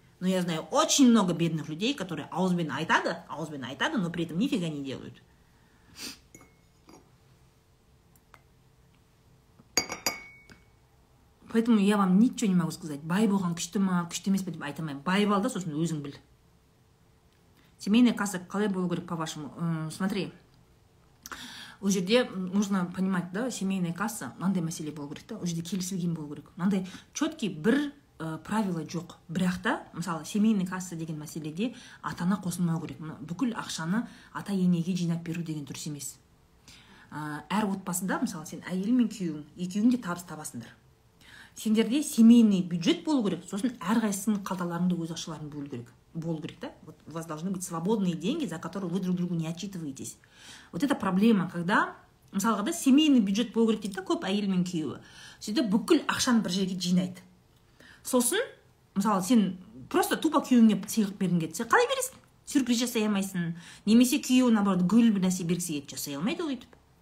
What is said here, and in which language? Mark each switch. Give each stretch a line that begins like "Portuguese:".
Russian: Но я знаю очень много бедных людей, которые
Kazakh: аузбен айтады,
Russian: но при этом нифига не делают. Поэтому я вам ничего не могу сказать.
Kazakh: Бай болған күшті ма, күшті емес пе деп айтамаймын. Бай бол да, сосын өзің біл. Семейная касса қалай болу керек по-вашему? Смотри, ол жерде
Russian: нужно понимать,
Kazakh: да, семейная касса, мынандай мәселе болу керек та, ол жерде келісілген болу керек. Мынандай четкий бір правила жоқ. Бірақ та, мысалы, семейная касса деген мәселеде ата-ана қосылмау керек. Бүкіл ақшаны ата-енеге жинап беру деген дұрыс емес. Әр отбасында, мысалы, сен әйел мен күйеуің, екеуің де табыс табасыңдар. Сендерде семейный бюджет болу керек, сосын әрқайсысының қалталарында өз ақшаларын бөлу керек. Болу керек, да?
Russian: Вот у вас должны быть свободные деньги, за которые вы друг другу не отчитываетесь. Вот это проблема, когда,
Kazakh: мысалға да, семейный бюджет болу керек дейді, көп әйел мен күйеуі. Сөйтіп бүкіл ақшаны бір жерге жинайды. Сосын, мысалы, сен
Russian: просто тупо
Kazakh: күйеуіңе сыйлық бергің келсе, қалай бересің? Сюрприз жасай алмайсың. Немесе күйеуіне бір гүл бір нәрсе бергісі келеді, жасай алмайды ол өйтіп.